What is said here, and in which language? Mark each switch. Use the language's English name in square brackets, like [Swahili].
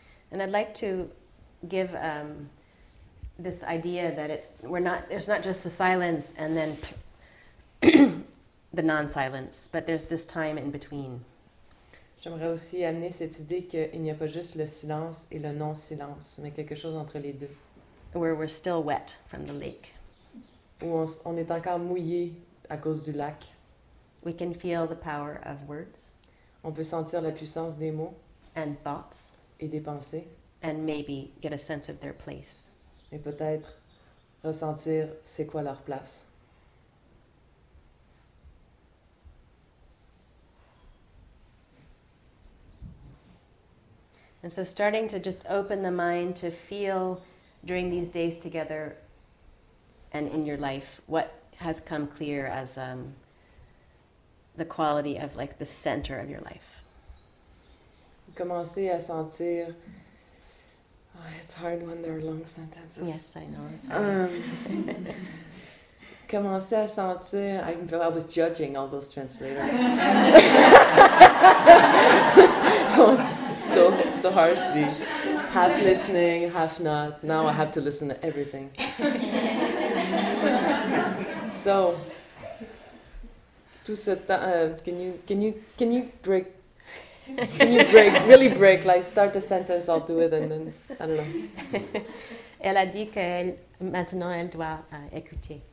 [English] And I'd like to give this idea that there's not just the silence and then the non-silence, but there's this time in between. [French] J'aimerais aussi amener cette idée qu'il n'y a pas juste le silence et le non-silence, mais quelque chose entre les deux. [English] Where we're still wet from the lake. [French] Où on est encore mouillé à cause du lac. [English] We can feel the power of words. [French] On peut sentir la puissance des mots [English] and thoughts [French] et des pensées. [English] And maybe get a sense of their place. [French] Et peut-être ressentir c'est quoi leur place. [English] And so starting to just open the mind to feel during these days together and in your life what has come clear as the quality of like the center of your life. [French] Commencer à sentir. [English] Oh, it's hard when there are long sentences. Yes, I know. [French] commencer à sentir. [English] I was judging all those translators. So harshly. Half listening, half not. Now I have to listen to everything. So, [French] tout ce temps, [English] can you break, really break, like start a sentence, I'll do it, and then, I don't know. [French] Elle a dit qu'elle, maintenant elle doit écouter.